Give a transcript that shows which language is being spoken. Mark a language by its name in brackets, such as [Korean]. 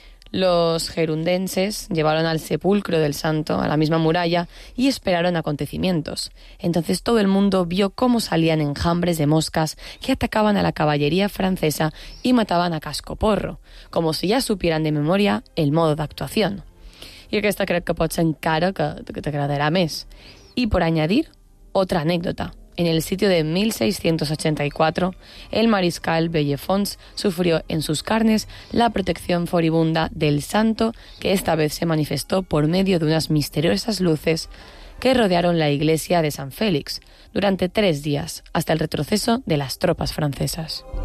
[Spanish] Los gerundenses llevaron al sepulcro del santo a la misma muralla y esperaron acontecimientos. Entonces todo el mundo vio cómo salían enjambres de moscas que atacaban a la caballería francesa y mataban a cascoporro, como si ya supieran de memoria el modo de actuación. [Catalan] Y aquesta crec que pot ser encara que t'agradarà més. [Spanish] Y por añadir, otra anécdota. En el sitio de 1684, el mariscal Bellefons sufrió en sus carnes la protección furibunda del santo, que esta vez se manifestó por medio de unas misteriosas luces que rodearon la iglesia de San Félix durante 3 días, hasta el retroceso de las tropas francesas.